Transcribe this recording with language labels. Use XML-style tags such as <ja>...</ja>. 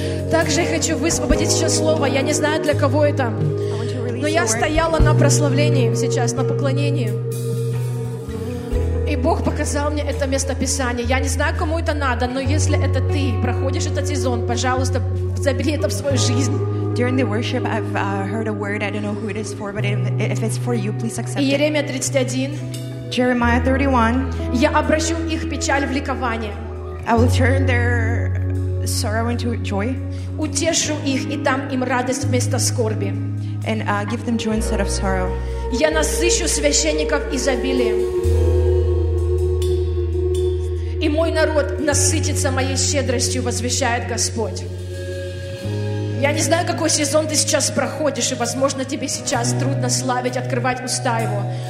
<ru>Также я хочу высвободить сейчас слово. Я не знаю, для кого это. Но я стояла на прославлении сейчас, на поклонении. И Бог показал мне это место Писания. Я не знаю, кому это надо, но если это ты, проходишь этот сезон, пожалуйста, забери это в свою жизнь.</ru> <en>During the worship, I've heard a word. I don't know who it is for, but if it's for you, please accept it.</en> <ru>Иеремия 31.</ru> <en>Jeremiah 31.</en> <ru>Я обращу их печаль в ликование.</ru> <en>I will turn their sorrow into joy.</en> <ru>Утешу их и дам им радость вместо скорби.</ru> <en>And give them joy instead of sorrow.</en> <ru>Я насыщу священников изобилием. И мой народ насытится моей щедростью, возвещает Господь. Я не знаю, какой сезон ты сейчас проходишь, и, возможно, тебе сейчас трудно славить, открывать уста Его.</ru>